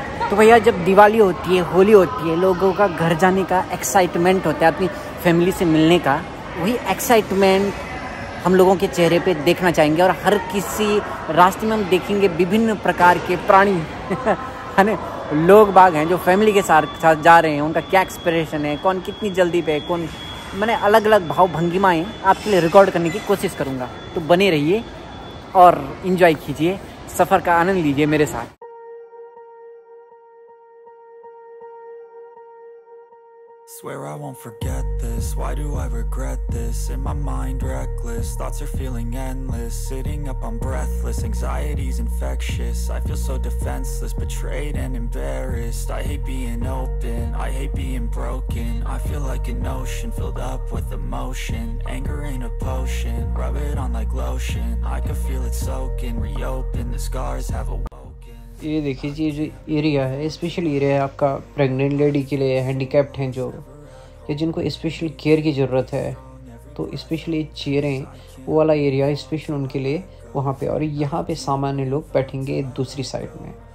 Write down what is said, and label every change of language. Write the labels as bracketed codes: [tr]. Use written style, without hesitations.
[hi] तो भैया जब दिवाली होती है, होली होती है, लोगों का घर जाने का एक्साइटमेंट होता है, अपनी फैमिली से मिलने का, वही एक्साइटमेंट हम लोगों के चेहरे पे देखना चाहेंगे, और हर किसी रास्ते में हम देखेंगे विभिन्न प्रकार के प्राणी है ना, लोग बाग हैं जो फैमिली के साथ जा रहे हैं, उनका क्या एक्सप्रेशन है, कौन कितनी जल्दी पे, कौन मैंने अलग अलग भाव भंगिमाएँ आपके लिए रिकॉर्ड करने की कोशिश करूँगा। तो बने रहिए और इन्जॉय कीजिए, सफ़र का आनंद लीजिए मेरे साथ। [en] Swear I won't forget this, why do I regret this? In my mind reckless, thoughts are feeling endless. Sitting up, I'm breathless, anxiety's infectious. I feel so defenseless, betrayed and embarrassed. I hate being open, I hate being broken. I feel like an ocean filled up with emotion. Anger ain't a potion, rub it on like lotion. I can feel it soaking, reopen, the scars have awoken. [hi] ये देखिए जी, जो area है special area है आपका pregnant lady के लिए, handicapped हैं जो, या जिनको स्पेशल केयर की ज़रूरत है, तो स्पेशली चेयरें वो वाला एरिया स्पेशल उनके लिए वहाँ पे, और यहाँ पे सामान्य लोग बैठेंगे दूसरी साइड में।